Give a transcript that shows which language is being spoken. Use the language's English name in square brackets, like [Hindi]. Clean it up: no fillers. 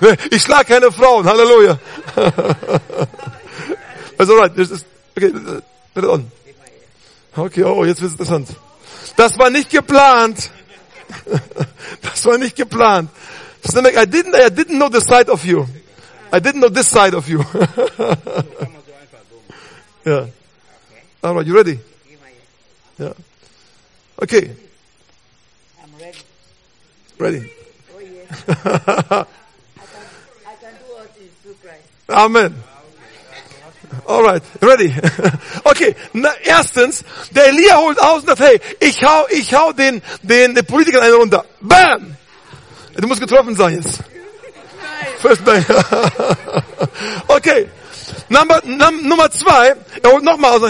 [German] Ich schlage keine Frauen, Halleluja. [English] Also alright, this is, okay, put it on. [German] Okay, oh, jetzt wird es interessant. Das war nicht geplant. Das war nicht geplant. [English] Snimek, I didn't know the side of you. I didn't know this side of you. Yeah. Okay. All right, you ready? Yeah. Okay. I'm ready. Ready. Oh, yeah. I can do all things through Christ. Amen. All right, ready. [German] Okay, erstens, der Elia holt aus und sagt, hey, ich hau den Politiker einen runter. Bam! Du musst getroffen sein jetzt. [English] First bang. [German] Okay. Nummer zwei. Er holt nochmal aus.